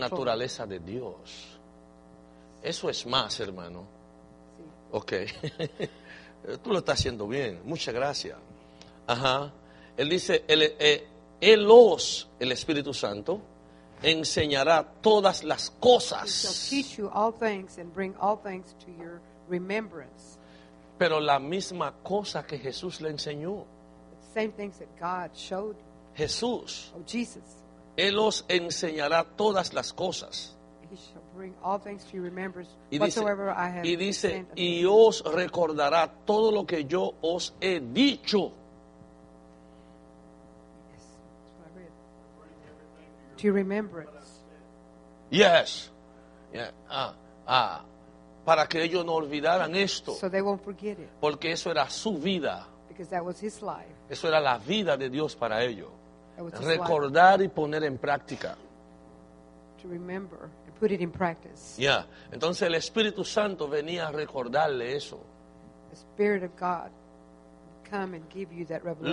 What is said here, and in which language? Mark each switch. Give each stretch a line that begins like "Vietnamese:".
Spanish: La naturaleza de Dios. Eso es más, hermano. Sí. Okay. Tú lo estás haciendo bien. Muchas gracias. Ajá. Él dice, Elos, el Espíritu Santo, enseñará todas las cosas.
English: He shall teach you all things and bring all things to your remembrance.
Spanish: Pero la misma cosa que Jesús le enseñó.
English: The same things that God showed.
Spanish: Jesús.
English: Oh, Jesus.
Spanish: Elos enseñará todas las cosas.
English: He shall bring all things to your remembrance whatsoever I have.
Spanish: Y dice, y os recordará todo lo que yo os he dicho.
English: To your remembrance. Yes. Yeah.
Spanish: Para que ellos no olvidaran esto.
English: So they won't forget it.
Spanish: Porque eso era su vida.
English: Because that was his life.
Spanish: Eso era la vida de Dios para ellos. Recordar
English: life.
Spanish: Y poner en práctica.
English: To remember and put it in practice. Yeah.
Spanish: Entonces el Espíritu Santo venía a recordarle eso.
English: The Spirit of God come and give you that revelation.